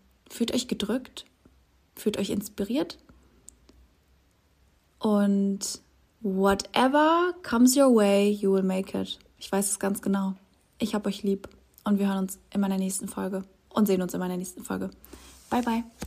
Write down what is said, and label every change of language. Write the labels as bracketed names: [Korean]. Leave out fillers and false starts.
[German] Fühlt euch gedrückt, fühlt euch inspiriert. Und [English] whatever comes your way, you will make it. [German] Ich weiß es ganz genau. Ich hab euch lieb und wir hören uns in meiner nächsten Folge und sehen uns in meiner nächsten Folge. Bye, bye.